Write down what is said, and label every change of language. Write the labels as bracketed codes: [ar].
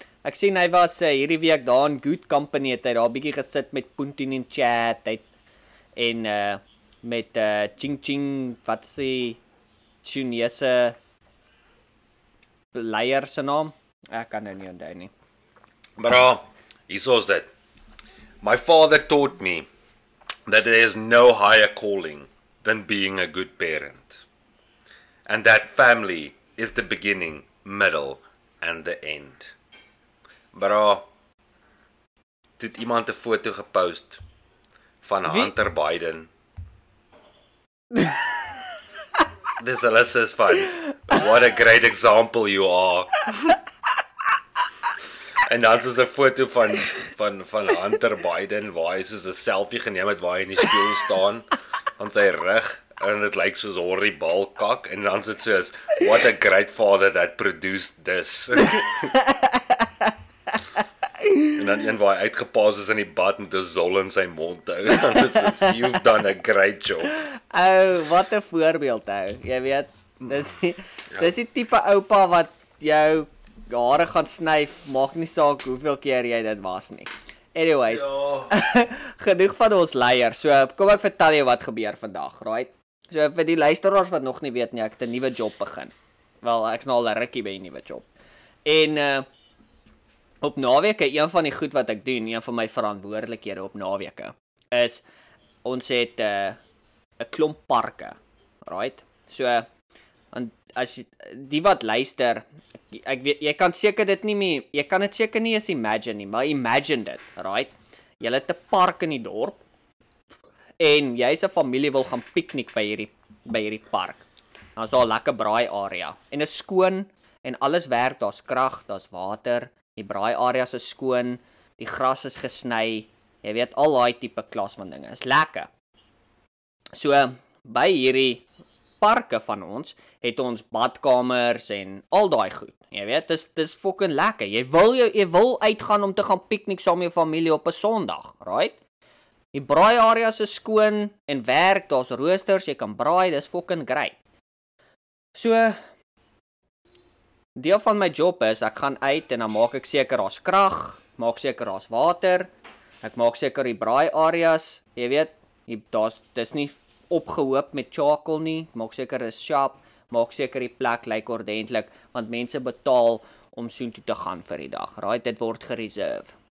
[af] Ek sien hy was hierdie week daar in Good Company, het hy daar bietjie gesit met Putin in chat, hy, en met Ching Ching, wat is die Chinese leier se naam? Ek kan nou nie onthou nie. Bro, hier is dit. [en] My father taught me that there is no higher calling than being a good parent. And that family is the beginning, middle, and the end. [af] Bro, het iemand 'n foto gepost van Hunter Biden. [en] Dis Alyssa is fun. What a great example you are. [af] En dan is 'n foto van Hunter Biden waar hy soos 'n selfie geneem het waar hy in die spieël staan aan sy rug en dit lyk soos horrie bal kak en dan is dit soos [en] what a great father that produced this. [af] En dan een waar hy uitgepaas is in die bad met 'n zol in sy mond hou en dan is dit soos [en] you've done a great job. [af] Ou, wat 'n voorbeeld hou. Jy weet, dis die tipe oupa wat jou hare gaan snyf, maak nie saak hoeveel keer jy dit was nie. Anyways, genoeg van ons leier, so kom ek vertel jou wat gebeur vandag, right? So vir die luisteraars wat nog nie weet nie, ek het 'n nuwe job begin. Wel, ek is nou al 'n rukkie by 'n nuwe job. En op naweke, een van die goed wat ek doen, een van my verantwoordelikhede op naweke, is ons het 'n klomp parke, right? So, en as die wat luister, ek weet, jy kan seker dit nie meer, jy kan dit seker nie eens imagine nie, maar imagine dit, right? Jy het 'n park in die dorp en jy se familie wil gaan piknik by hierdie park. Daar's daar 'n lekker braai area en is skoon en alles werk, daar's krag, daar's water, die braai area is skoon, die gras is gesny, jy weet al daai tipe klas van dinge. Is lekker. So by hierdie parke van ons, het ons badkamers en al daai goed. Jy weet, dis fucking lekker. Jy wil uitgaan om te gaan piknik saam met jou familie op 'n Sondag, right? Die braai area is skoon en werk, daar's roosters, jy kan braai, dis fucking great. So, deel van my job is, ek gaan uit en dan maak ek seker daar's krag, maak seker daar's water, ek maak seker die braai areas, jy weet, dis nie opgehoop met charcoal nie, maak seker is sharp, maak seker die plek lyk ordentlik, want mense betaal om soontoe te gaan vir die dag, right? Dit word gereserve.